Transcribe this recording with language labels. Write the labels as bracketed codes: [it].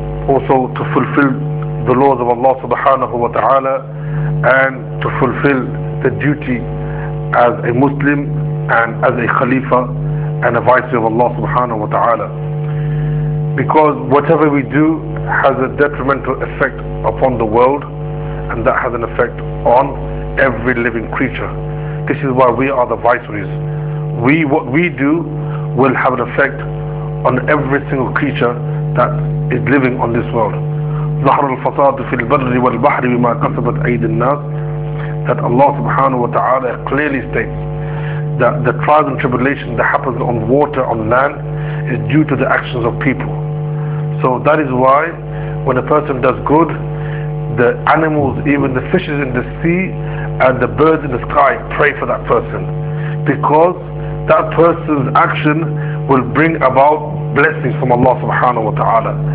[en] also to fulfill the laws of Allah subhanahu wa ta'ala, and to fulfill the duty as a Muslim and as a Khalifa and a Viceroy of Allah subhanahu wa ta'ala, because whatever we do has a detrimental effect upon the world, and that has an effect on every living creature. This is why we are the Viceroys. What we do will have an effect on every single creature that is living on this world. [ar] ظهر الفساد في البر والبحر بما كسبت أيدي الناس. [en] That Allah subhanahu wa ta'ala clearly states that the trials and tribulation that happens on water, on land, is due to the actions of people. So that is why when a person does good, the animals, even the fishes in the sea and the birds in the sky, pray for that person, because that person's action will bring about blessings from Allah subhanahu wa ta'ala.